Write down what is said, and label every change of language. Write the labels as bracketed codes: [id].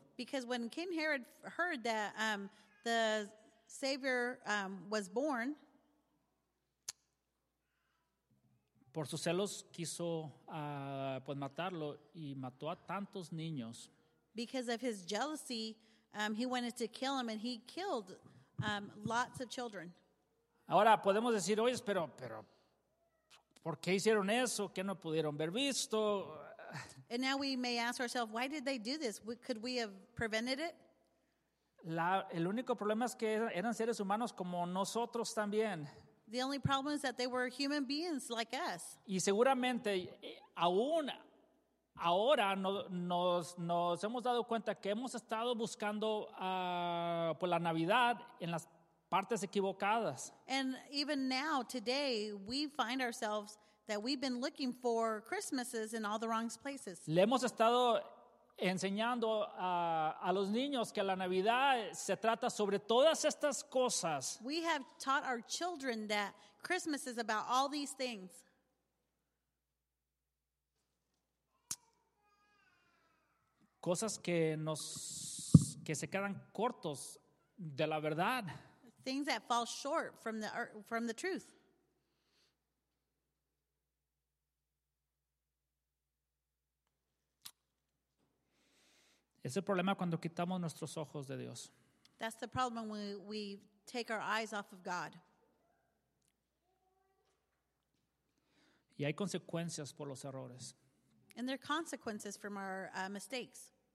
[en] Because when King Herod heard that the Savior was born, [es] por sus celos quiso pues matarlo y mató a tantos niños. [en] Because of his jealousy, he wanted to kill him, and he killed lots of children. [es] Ahora podemos decir, oye, pero ¿por qué hicieron eso? ¿Qué no pudieron haber visto? [en] And now we may ask ourselves, why did they do this? Could we have prevented it? [es] El único problema es que eran seres humanos como nosotros también. [en] The only problem is that they were human beings like us. [es] Y seguramente aún ahora nos hemos dado cuenta que hemos estado buscando por la Navidad en las partes equivocadas. [en] And even now, today, we find ourselves that we've been looking for Christmases in all the wrong places. [es] Le hemos estado enseñando a los niños que la Navidad se trata sobre todas estas cosas. [en] We have taught our children that Christmas is about all these things. [es] Cosas que se quedan cortos de la verdad. [en] Things that fall short from the truth. [es] Es el problema cuando quitamos nuestros ojos de Dios. [en] That's the problem when we take our eyes off of God. [es] Y hay consecuencias por los errores. [en] And there are consequences from our mistakes.